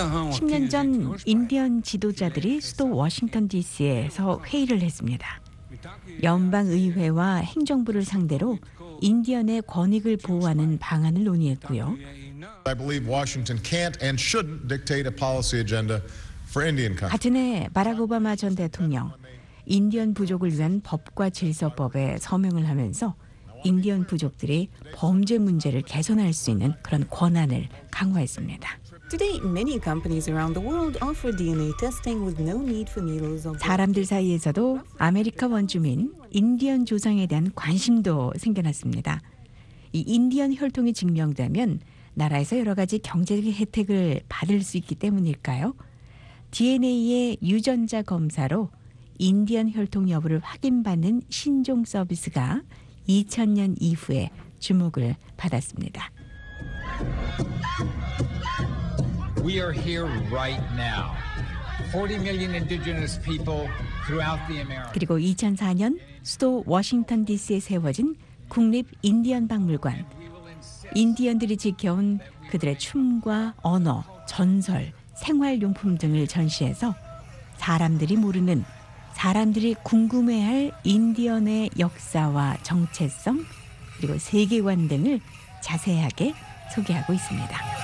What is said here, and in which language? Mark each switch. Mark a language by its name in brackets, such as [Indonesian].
[Korean] 10년 전 인디언 지도자들이 수도 워싱턴 DC에서 회의를 했습니다. 연방의회와 행정부를 상대로 인디언의 권익을 보호하는 방안을 논의했고요. [English] I believe Washington can't and shouldn't dictate a policy agenda for Indian country. [Korean] 같은 해 바락 오바마 전 대통령 인디언 부족을 위한 법과 질서법에 서명을 하면서 인디언 부족들이 범죄 문제를 개선할 수 있는 그런 권한을 강화했습니다. [English] Today, many companies around the world offer DNA testing with no need for needles. [Korean] 사람들 사이에서도 아메리카 원주민, 인디언 조상에 대한 관심도 생겨났습니다. 이 인디언 혈통이 증명되면 나라에서 여러 가지 경제적인 혜택을 받을 수 있기 때문일까요? DNA의 유전자 검사로 인디언 혈통 여부를 확인받는 신종 서비스가 2000년 이후에 주목을 받았습니다. [English] We are here right now. 40 million indigenous people throughout the America. [Korean] 그리고 2004년 수도 워싱턴 DC에 세워진 국립 인디언 박물관. 인디언들이 지켜온 그들의 춤과 언어, 전설, 생활용품 등을 전시해서 사람들이 모르는 사람들이 궁금해할 인디언의 역사와 정체성 그리고 세계관 등을 자세하게 소개하고 있습니다.